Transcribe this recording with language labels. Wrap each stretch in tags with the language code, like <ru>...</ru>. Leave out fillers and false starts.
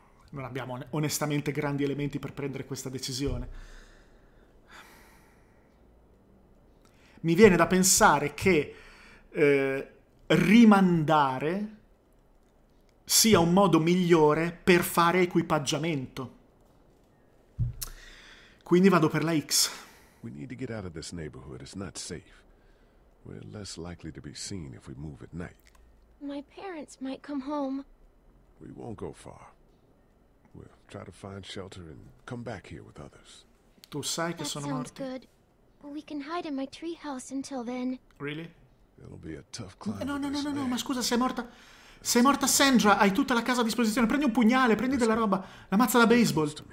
<it>Non abbiamo onestamente grandi elementi per prendere questa decisione. Mi viene da pensare che rimandare sia un modo migliore per fare equipaggiamento. Quindi vado per la X.</it> <en>We need to get out of this neighborhood. It's not safe. We're less likely to be seen if we move at night. My parents might come home. We won't go far. We'll try to find shelter and come back here with others.</en> <it>Tu sai che sono morti.</it> <en>We can hide in my treehouse until then. Really? It'll be a tough climb.</en> <it>No, ma scusa, sei morta Sandra, hai tutta la casa a disposizione. Prendi un pugnale, prendi della roba, la mazza da baseball.</it>